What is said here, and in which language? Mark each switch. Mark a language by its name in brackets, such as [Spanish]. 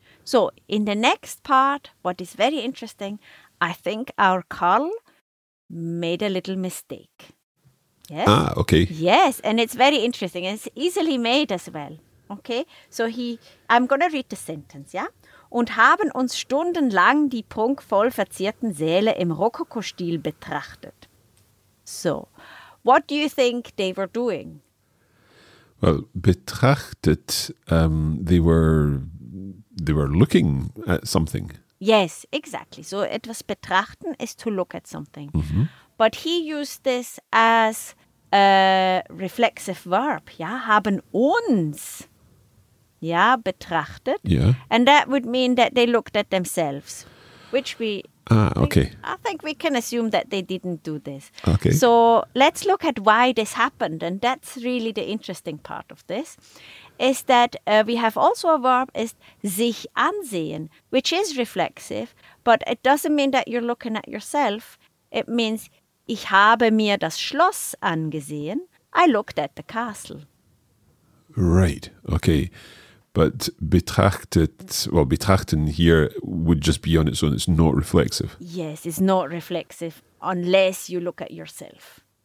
[English] So, in the next part, what is very interesting, I think our Carl made a little mistake. Yes? Ah, okay. Yes, and it's very interesting. It's easily made as well. Okay, so I'm going to read the sentence, yeah? [German] Und haben uns stundenlang die prunkvoll verzierten Säle im Rokoko-Stil betrachtet. [English] So, what do you think they were doing? Well, betrachtet, they were... they were looking at something. Yes, exactly. So etwas betrachten is to look at something. Mm-hmm. But he used this as a reflexive verb. [German] Ja, haben uns ja betrachtet. [English] Yeah. And that would mean that they looked at themselves, which we... Okay. I think we can assume that they didn't do this. Okay. So let's look at why this happened. And that's really the interesting part of this, is that we have also a verb is sich ansehen, which is reflexive, but it doesn't mean that you're looking at yourself. It means [German] ich habe mir das Schloss angesehen. [English] I looked at the castle. Right. Okay. But betrachten here would just be on its own. It's not reflexive. Yes, it's not reflexive unless you look at yourself.